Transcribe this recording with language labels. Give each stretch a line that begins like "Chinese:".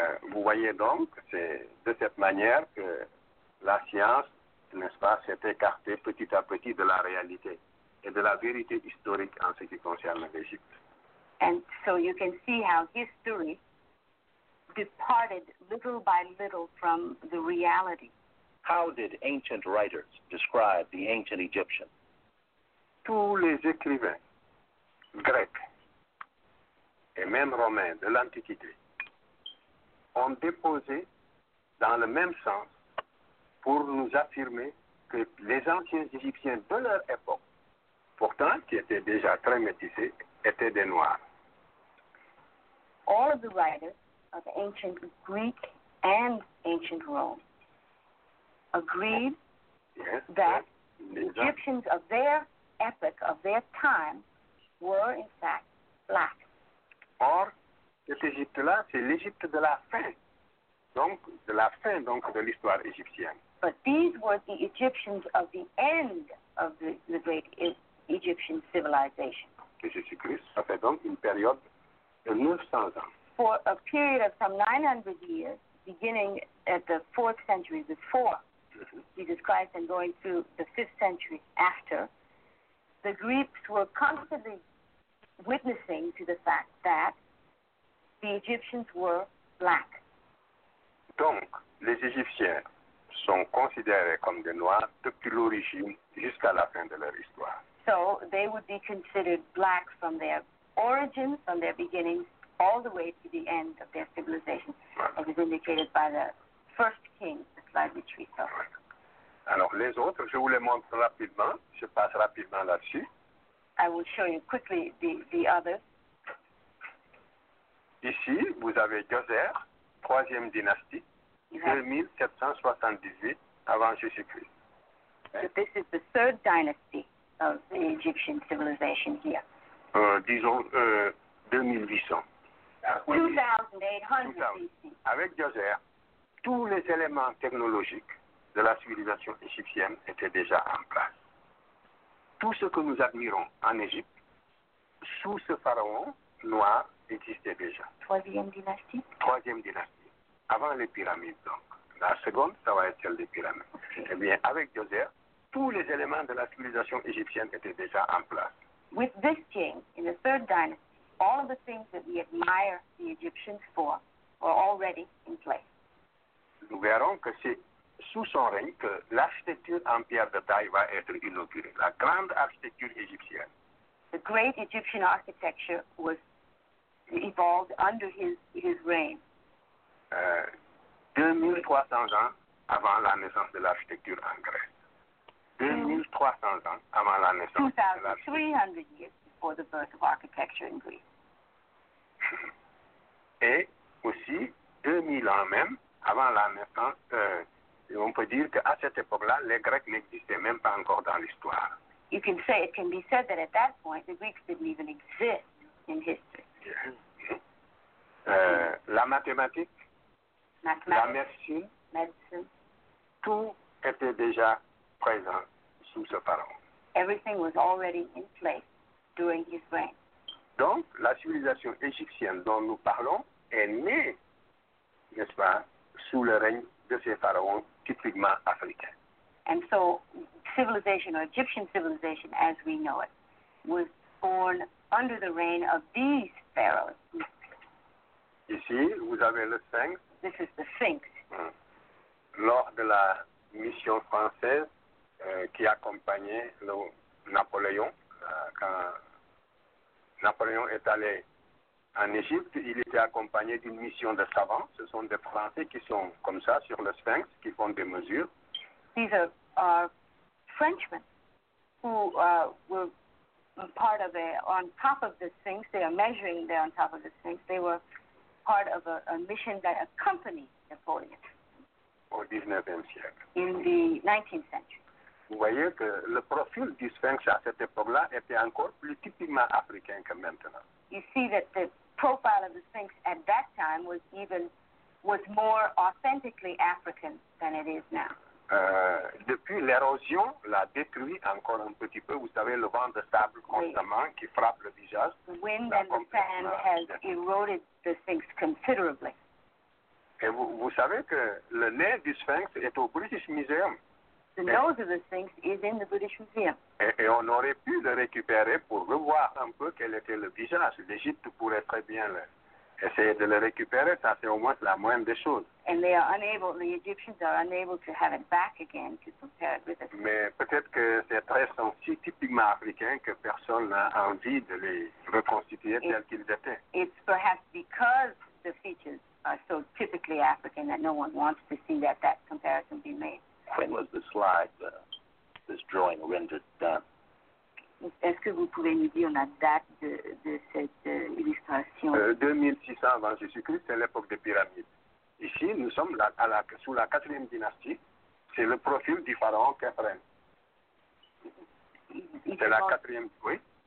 French: Vous voyez donc, c'est de cette manière que la science, n'est-ce pas, s'est écarté petit à petit de la réalité et de la vérité historique en ce qui concerne l'Égypte.
English: And so you can see how history departed little by little from the reality. How did ancient writers describe the ancient Egyptian?
French: Tous les écrivains grecs et même romains de l'Antiquité ont déposé dans le même sens pour nous affirmer que les anciens Égyptiens de leur époque, pourtant qui étaient déjà très métissés, étaient des Noirs.
English: All of the writers of ancient Greek and ancient Rome agreed that the Egyptians of their epoch, of their time, were in fact black.
French: Or, cet Égypte-là, c'est l'Égypte de la fin, donc de l'histoire égyptienne.
English: But these were the Egyptians of the end of the great Egyptian civilization.
French: Jésus-Christ, ça fait donc une période de 900 ans.
English: For a period of some 900 years, beginning at the 4th century before Jesus Christ and going through the 5th century after, the Greeks were constantly witnessing to the fact that the Egyptians were black.
French: Donc, les Égyptiens sont considérés comme des Noirs depuis l'origine jusqu'à la fin de leur histoire.
English: So they would be considered black from their origin, from their beginnings, all the way to the end of their civilization, as is indicated by the first king, the slide which we saw.
French: Alors les autres, je vous les montre rapidement, je passe rapidement là-dessus.
English: I will show you quickly the others.
French: Ici, vous avez Djoser, troisième dynastie. 2778 avant Jésus-Christ.
English: So this is the third dynasty of the Egyptian civilization here.
French: Disons 2800.
English: 2800 BC.
French: Avec Djoser, tous les éléments technologiques de la civilisation égyptienne étaient déjà en place. Tout ce que nous admirons en Égypte, sous ce pharaon noir, existait déjà. Troisième dynastie. Avant les pyramides, donc. La seconde, ça va être celle des pyramides. Okay. Eh bien, avec Djoser, tous les éléments de la civilisation égyptienne étaient déjà en place.
English: With this king, in the third dynasty, all of the things that we admire the Egyptians for were already in place.
French: Nous verrons que c'est sous son règne que l'architecture en pierre de taille va être inaugurée, la grande architecture égyptienne.
English: The great Egyptian architecture was evolved under his reign.
French: 2300 ans avant la naissance de l'architecture en Grèce. 2300 ans avant la naissance de l'architecture.
English: 2300 years before the birth of architecture in Greece.
French: Et aussi 2000 ans même avant la naissance, on peut dire qu'à cette époque-là, les Grecs n'existaient même pas encore dans l'histoire.
English: You can say, it can be said that at that point, the Greeks didn't even exist in history. Yeah.
French: La mathématique, la médecine, tout était déjà présent sous ce pharaon.
English: Everything was already in place during his reign.
French: Donc, la civilisation égyptienne dont nous parlons est née, n'est-ce pas, sous le règne de ces pharaons typiquement africains.
English: And so civilization, or Egyptian civilization as we know it, was born under the reign of these pharaohs.
French: Ici, vous avez le Sphinx.
English: This is the Sphinx.
French: Lors de la mission française qui accompagnait le Napoléon, quand Napoléon est allé en Égypte, il était accompagné d'une mission de savants. Ce sont des Français qui sont comme ça sur le Sphinx, qui font des mesures.
English: These are Frenchmen who were part of a, on top of the Sphinx. They are measuring there on top of the Sphinx. They were part of a mission that accompanied Napoleon.
French: Au 19e siècle.
English: In the 19th century.
French: Vous voyez que le profil du Sphinx à cette époque-là était encore plus typiquement africain que maintenant.
English: You see that the profile of the Sphinx at that time was even was more authentically African than it is now.
French: Depuis, l'érosion l'a détruit encore un petit peu. Vous savez, le vent de sable constamment qui frappe le visage.
English: The wind and the sand has eroded the Sphinx considerably.
French: Et vous savez que le nez du Sphinx est au British Museum.
English: The nose of the Sphinx is in the British Museum.
French: Et on aurait pu le récupérer pour revoir un peu quel était le visage. L'Égypte pourrait très bien essayer de le récupérer. Ça, c'est au moins la moindre des choses.
English: And they are unable, the Egyptians are unable to have it back again to compare it with us.
French: Mais peut-être que ces traits sont si typiquement africains que personne n'a envie de les reconstituer tels qu'ils étaient.
English: It's perhaps because the features are so typically African that no one wants to see that comparison be made. When was the slide, this drawing rendered done?
French: Est-ce que vous pouvez nous dire la date de cette illustration? 2600 avant Jésus-Christ, c'est l'époque des pyramides. Ici, nous sommes sous la 4e dynastie. C'est le profil du pharaon Khéphren. C'est la 4e, oui?